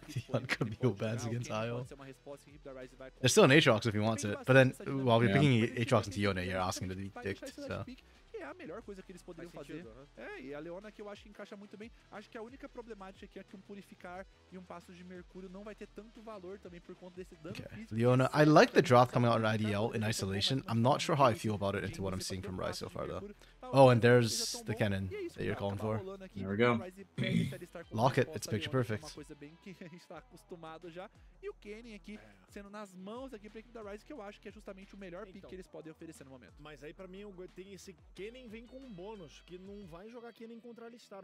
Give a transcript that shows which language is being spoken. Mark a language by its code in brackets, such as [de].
[en] Bad Camille bans against Ayo. There's still an Aatrox if he wants it, but then while we're picking Aatrox into Yone, you're asking to be picked, so. [pt] É a melhor coisa que eles poderiam fazer. É, e a Leona que eu acho que encaixa muito bem. Acho que a única problemática aqui é que um purificar e um passo de mercúrio não vai ter tanto valor também por conta desse dano. [en] Okay. Leona, I like the draft coming out on IDL in isolation. I'm not sure how I feel about it into what I'm seeing from Ryze so far though. Oh, and there's the cannon that you're calling for. There we go. Lock it. It's picture perfect. [pt] Uma coisa bem que a gente está acostumado já. E o Kennen aqui sendo nas mãos aqui para a equipe da Ryze, que eu acho que é justamente o melhor pick que eles podem oferecer no momento. Mas aí para mim tem esse Kennen vem com um bônus, que não vai jogar Kennen contra Alistar.